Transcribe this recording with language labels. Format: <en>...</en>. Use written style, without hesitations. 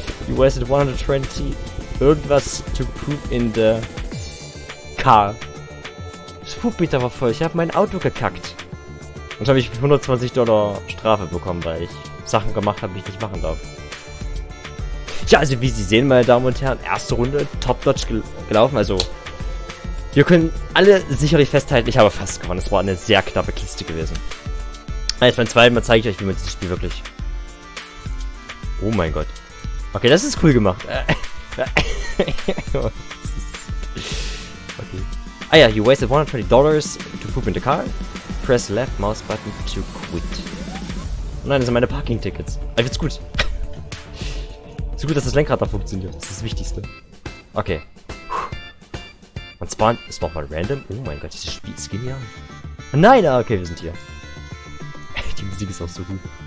<en>You wasted 120</en> <de>irgendwas</de> <en>to poop in the car.</en> <de>Das Poopmeter war voll. Ich habe mein Auto gekackt. Und habe ich $120 Strafe bekommen, weil ich Sachen gemacht habe, die ich nicht machen darf. Tja, also wie Sie sehen, meine Damen und Herren, erste Runde top-notch gelaufen. Also, wir können alle sicherlich festhalten, ich habe fast gewonnen. Es war eine sehr knappe Kiste gewesen. Jetzt beim zweiten Mal zeige ich euch, wie man dieses Spiel wirklich... Oh mein Gott. Okay, das ist cool gemacht. Okay.</de> <en>Ah ja, you wasted $120 to poop in the car. Press left mouse button to quit.</en> <de>Oh nein, das sind meine Parking-Tickets. Aber ich find's gut. So gut, dass das Lenkrad da funktioniert. Das ist das Wichtigste. Okay. Man spawnt... Ist doch mal random. Oh mein Gott, dieses Spiel ist genial. Nein, okay, wir sind hier. Die Musik ist auch so gut.</de>